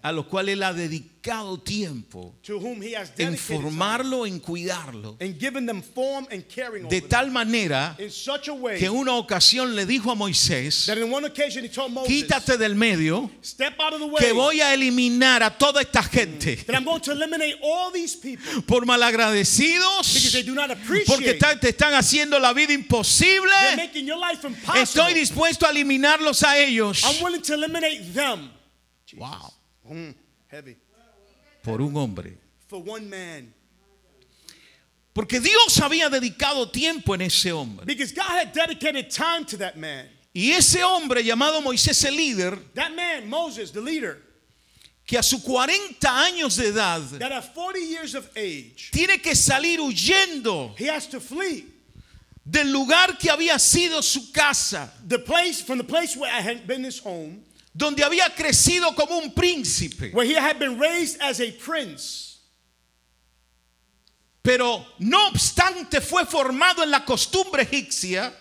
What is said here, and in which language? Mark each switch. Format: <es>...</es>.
<es>a los cuales él ha dedicado tiempo,</es> <en>to whom he has dedicated,</en> <es>en formarlo, en cuidarlo,</es> <en>and given them form and caring,</en> <es>de tal manera,</es> <en>in such a way,</en> <es>que una ocasión le dijo a Moisés,</es> <en>that in one occasion he told Moses,</en> <es>quítate del medio,</es> <en>step out of the way,</en> <es>que voy a eliminar a toda esta gente,</es> <en>that I'm going to eliminate all these people,</en> <es>por malagradecidos,</es> <en>because they do not appreciate,</en> <es>porque te están haciendo la vida imposible,</es> <en>they're making your life impossible.</en> <es>Estoy dispuesto a eliminarlos a ellos.</es> <en>I'm willing to eliminate them. Jesus. Wow. Heavy.</en> <es>Por un hombre.</es> <en>For one man.</en> <es>Porque Dios había dedicado tiempo en ese hombre.</es> <en>Because God had dedicated time to that man.</en> <es>Y ese hombre llamado Moisés el líder,</es> <en>that man, Moses, the leader,</en> <es>que a sus 40 años de edad,</es> <en>that at 40 years of age,</en> <es>tiene que salir huyendo.</es> <en>He has to flee.</en> <es>Del lugar que había sido su casa,</es> <en>the place, from the place where I had been his home,</en> <es>donde había crecido como un príncipe,</es> <en>where he had been raised as a prince.</en> <es>Pero no obstante fue formado en la costumbre egipcia,</es>